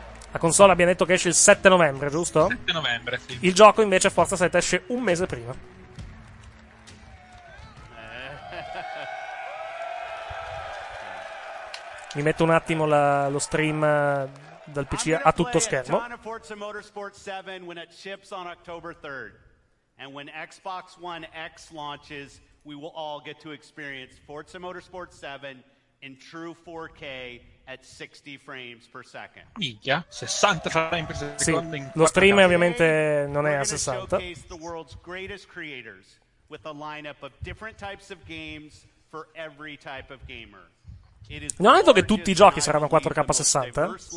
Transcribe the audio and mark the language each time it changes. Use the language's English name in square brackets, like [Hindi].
[Italian] La console abbiamo detto che esce il 7 novembre, giusto? 7 novembre, sì. Il gioco invece Forza 7 esce un mese prima. Mi metto un attimo lo stream dal PC a tutto schermo. [English] Forza Motorsport 7 when it ships on October 3rd and when Xbox One X launches, we will all get to experience Forza Motorsport 7 in true 4K. At 60 frames per second. [Italian] Minchia, 60 frames per secondo. Sì, lo stream ovviamente non è a 60. [English] Showcase the world's greatest creators with a lineup of different types of games for every type of gamer. [Italian] Non hanno detto che tutti i giochi saranno 4K 60?